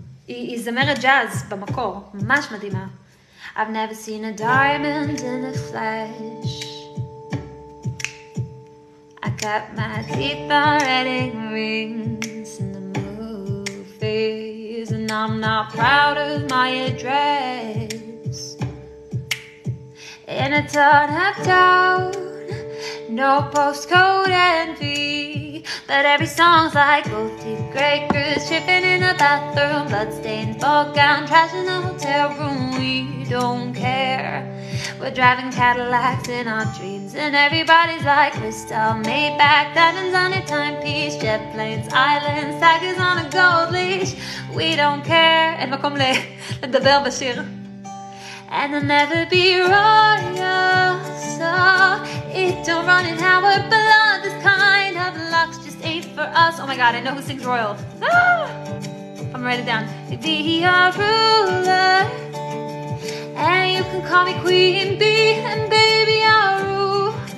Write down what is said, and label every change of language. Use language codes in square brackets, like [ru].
[he] היא זמרת ג'אז במקור, ממש מדהימה. [en] I've never seen a diamond in a flesh. I got my teeth on wedding rings in the movies. And I'm not proud of my address. In a ton of town, no postcode envy. But every song's like gold teeth, gray goose, tripping in a bathroom, bloodstained ball gown, trash in a hotel room. We don't care. We're driving Cadillacs in our dreams, and everybody's like crystal, Maybach, diamonds on a timepiece, jet planes, islands, tigers on a gold leash. We don't care. [he] And מקום לדבר בשיר. [en] And there'll never be royals, so it don't run in our blood. This kind of luck just ain't for us. Oh my god, I know who sings royal. Ah! I'm writing it down. Be a ruler, and you can call me queen bee, and baby I'll rule.